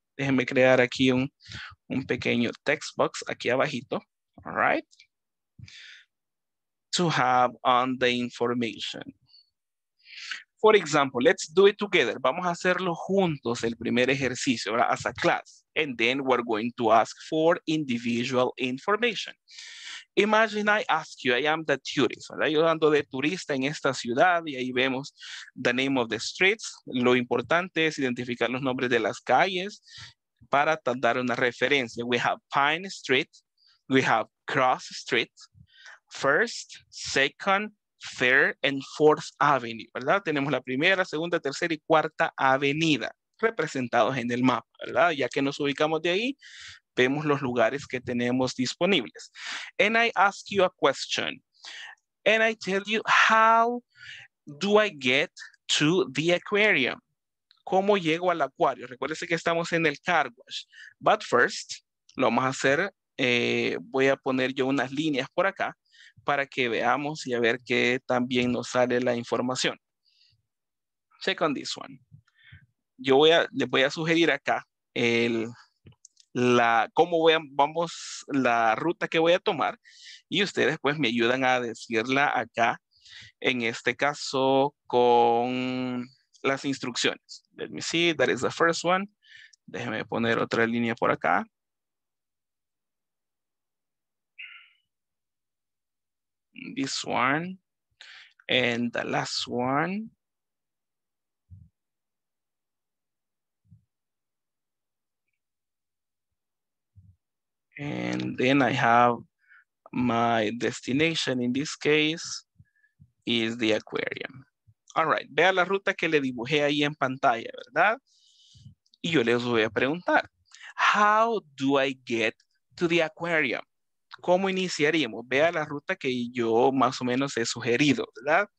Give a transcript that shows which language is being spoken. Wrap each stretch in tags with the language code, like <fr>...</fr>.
<es>Déjenme crear aquí un pequeño text box aquí abajito.</es> <en>All right. To have on the information. For example, let's do it together.</en> <es>Vamos a hacerlo juntos el primer ejercicio, ¿verdad?</es> <en>As a class. And then we're going to ask for individual information. Imagine I ask you, I am the tourist, ¿verdad?</en> <es>Yo ando de turista en esta ciudad y ahí vemos</es> <en>the name of the streets.</en> <es>Lo importante es identificar los nombres de las calles para dar una referencia.</es> <en>We have Pine Street, we have Cross Street, First, Second, Third, and Fourth Avenue, ¿verdad?</en> <es>Tenemos la primera, segunda, tercera y cuarta avenida representados en el mapa, ¿verdad? Ya que nos ubicamos de ahí, vemos los lugares que tenemos disponibles.</es> <en>And I ask you a question. And I tell you, how do I get to the aquarium?</en> <es>¿Cómo llego al acuario? Recuérdese que estamos en el car wash.</es> <en>But first,</en> <es>lo vamos a hacer, voy a poner yo unas líneas por acá para que veamos y a ver qué también nos sale la información.</es> <en>Check on this one.</en> <es>Yo voy a, les voy a sugerir acá el... la ruta que voy a tomar y ustedes pues me ayudan a decirla acá, en este caso con las instrucciones.</es> <en>Let me see, that is the first one.</en> <es>Déjeme poner otra línea por acá.</es> <en>This one and the last one. And then I have my destination, in this case, is the aquarium. All right,</en> <es>vea la ruta que le dibujé ahí en pantalla, ¿verdad? Y yo les voy a preguntar,</es> <en>how do I get to the aquarium?</en> <es>¿Cómo iniciaríamos? Vea la ruta que yo más o menos he sugerido, ¿verdad?</es>